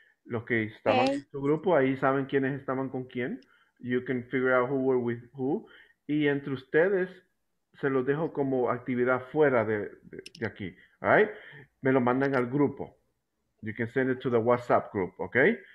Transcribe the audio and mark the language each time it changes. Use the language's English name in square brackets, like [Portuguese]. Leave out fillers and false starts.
[Spanish] los que estaban en su grupo, ahí saben quiénes estaban con quién. [English] You can figure out who were with who. [Spanish] Y entre ustedes, se los dejo como actividad fuera de aquí. [English] All right? [Spanish] Me lo mandan al grupo. [English] You can send it to the WhatsApp group, okay?